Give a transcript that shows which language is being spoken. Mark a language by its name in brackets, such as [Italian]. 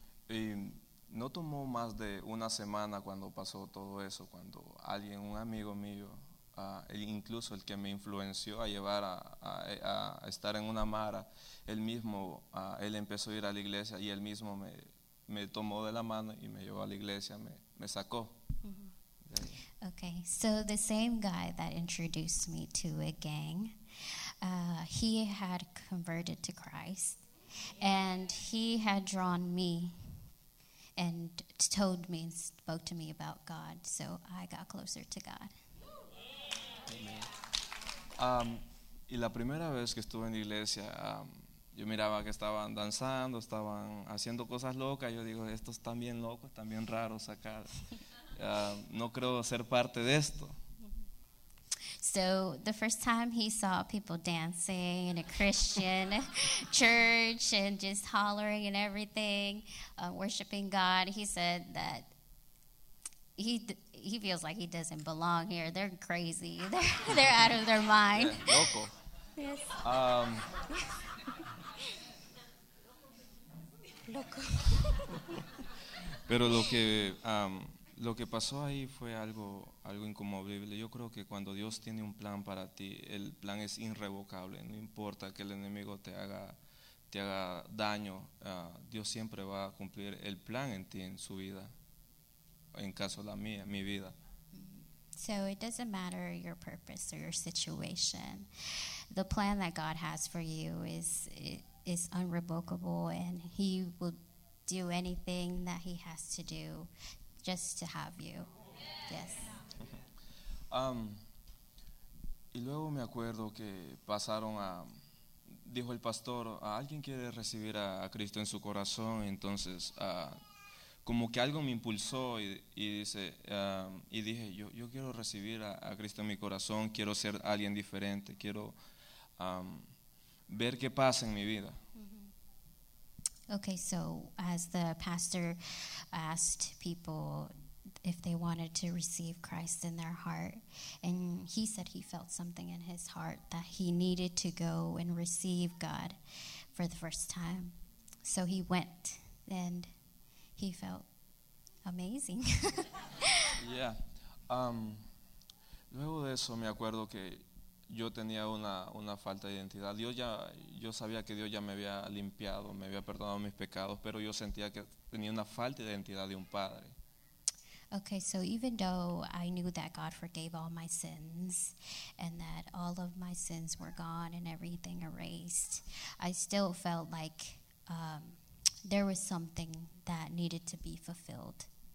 [Spanish] Y no tomó más de una semana cuando pasó todo eso, cuando alguien, un amigo mío, incluso el que me influenció a llevar a estar en una mara, él mismo, él empezó a ir a la iglesia y él mismo me tomó de la mano y me llevó a la iglesia, me sacó. [English] Okay, so the same guy that introduced me to a gang, he had converted to Christ, and he had drawn me and told me and spoke to me about God, so I got closer to God. [Spanish] Y la primera vez que estuve en la iglesia, yo miraba que estaban danzando, estaban haciendo cosas locas. Yo digo, estos están bien locos, están bien raros acá. No creo ser parte de esto. [English] So the first time he saw people dancing in a Christian church and just hollering and everything, worshiping God, he said that he feels like he doesn't belong here. They're crazy. They're out of their mind. [Spanish] Loco. [English] Yes. [Spanish] Loco. Pero lo que pasó ahí fue algo inconmovible. Yo creo que cuando Dios tiene un plan para ti, el plan es irrevocable. No importa que el enemigo te haga daño, Dios siempre va a cumplir el plan en ti, en su vida, en caso la mía, mi vida. [English] So it doesn't matter your purpose or your situation. The plan that God has for you is irrevocable, and He will do anything that He has to do just to have you. Yes. [Spanish] Y luego me acuerdo que pasaron a, dijo el pastor, alguien quiere recibir a Cristo en su corazón, entonces como que algo me impulsó y dije, yo quiero recibir a Cristo en mi corazón, quiero ser alguien diferente, quiero ver qué pasa en mi vida. [English] Okay, so as the pastor asked people if they wanted to receive Christ in their heart, and he said he felt something in his heart that he needed to go and receive God for the first time. So he went, and he felt amazing. Yeah. [Spanish] Luego de eso me acuerdo que yo tenía una falta de identidad. Yo sabía que Dios ya me había limpiado, me había perdonado mis pecados, pero yo sentía que tenía una falta de identidad de un padre. [English] Okay, so even though I knew that God forgave all my sins and that all of my sins were gone and everything erased, I still felt like there was something that needed to be fulfilled.